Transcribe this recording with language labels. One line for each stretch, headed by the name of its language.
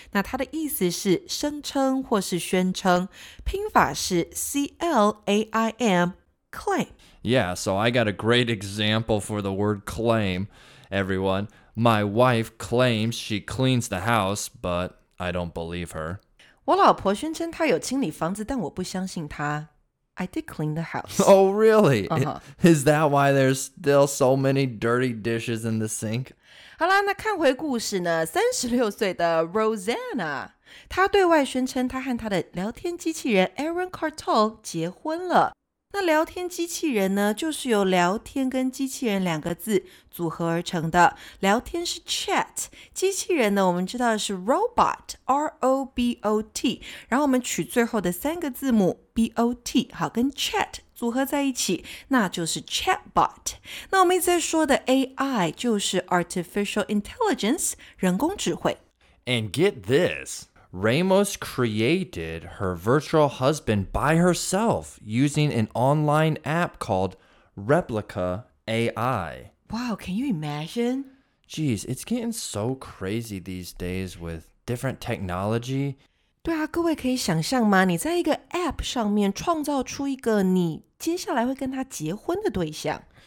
Chinese: 那它的意思是声称或是宣称，拼法是 C-L-A-I-M, claim.
English: Yeah, so I got a great example for the word claim, everyone. My wife claims she cleans the house, but I don't believe her.
Chinese: 我老婆宣称她有清理房子，但我不相信她。
English: I did clean the house. Oh, really? Uh-huh. Is that why there's still so many dirty dishes in the sink?
Chinese: 好啦，那看回故事呢，36岁的 Rosanna, 她对外宣称她和她的聊天机器人 Aaron Kartal 结婚了。那聊天机器人呢，就是由聊天跟机器人两个字组合而成的。聊天是 chat, 机器人呢，我们知道是 robot, R-O-B-O-T, 然后我们取最后的三个字母 B-O-T, 好，跟 chat 组合在一起，那就是 chatbot。那我们一直在说的 AI 就是 artificial intelligence, 人工智慧。
English: And get this! Ramos created her virtual husband by herself using an online app called Replica AI. Wow, can you imagine? Geez, it's getting so crazy these days with different technology.
Chinese: 对啊，各位可以想象吗？你在一个 app 上面创造出一个你接下来会跟他结婚的对象。